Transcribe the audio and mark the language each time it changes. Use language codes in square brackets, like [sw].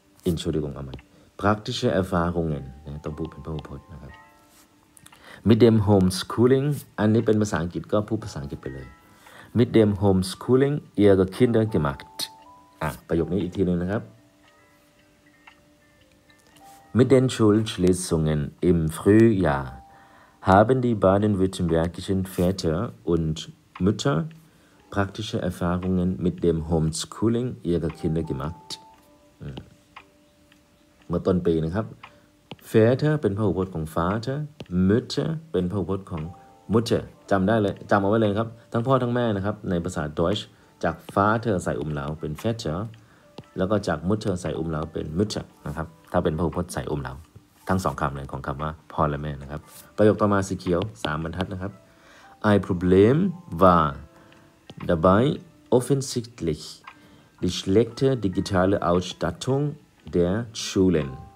[de] Entschuldigung einmal praktische Erfahrungen [th] ต้องพูดเป็นพหูพจน์นะครับ [de] Mit dem Homeschooling [th] อันนี้เป็นภาษาอังกฤษก็พูดภาษาอังกฤษไปเลย [de] Mit dem Homeschooling ihre Kinder gemacht. [th] ประโยคนี้อีกทีนึงนะครับ [de] Mit den Schulschließungen im Frühjahr haben die baden-württembergischen Väter und Mütter praktische Erfahrungen mit dem Homeschooling ihrer Kinder gemacht. [th] เมื่อต้นปีนะครับ Väter เป็นพหูพจน์ของ Vater Mütter เป็นพหูพจน์ของ Mutter จำได้เลยจำเอาไว้เลยครับทั้งพ่อทั้งแม่นะครับในภาษา Deutsch จาก Vater ใส่อุ้มเหลาเป็น Väter แล้วก็จาก Mutter ใส่อุ้มเหลาเป็น Mütter นะครับถ้าเป็นพหูพจน์ใส่อุ้มเหลาทั้งสองคำเลยของคำว่าพ่อและแม่นะครับประโยคต่อมาสีเขียว3บรรทัดนะครับ [de] Ein Problem war dabei offensichtlich die schlechte digitale Ausstattung der Schulen